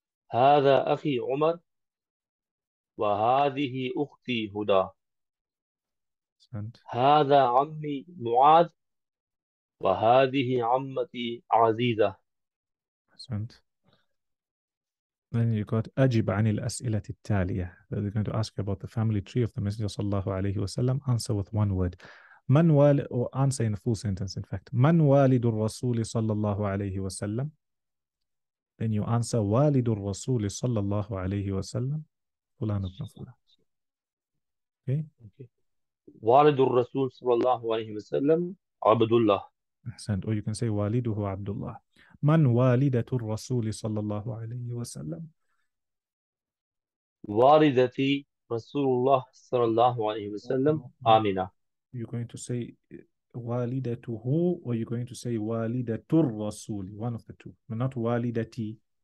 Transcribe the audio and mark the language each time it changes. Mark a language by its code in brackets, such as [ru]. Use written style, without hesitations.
[ar] هذا أخي عمر وهذه أختي هدى [en] Sent. [ar] هذا عمي معاذ وهذه عمتي عزيزة [en] Sent. Then you got [ar] أجب عن الأسئلة التالية. [en] They're going to ask you about the family tree of the Messenger [ar] صلى الله عليه وسلم. [en] Answer with one word. [ar] من والد, [en] or answer in a full sentence, in fact. [ar] من والد الرسول صلى الله عليه وسلم. [en] Then you answer [ar] والد الرسول صلى الله عليه وسلم فلان ابن فلان. [en] Okay. [ar] والد الرسول صلى الله عليه وسلم عبد الله. أحسنت. [en] Or you can say [ar] والده عبد الله. من والدة الرسول صلى الله عليه وسلم؟ والدتي رسول الله صلى الله عليه وسلم آمنة. [en] You're going to say والدته, or you're going to say [ar] والدة الرسول, [en] one of the two, but not والدتي.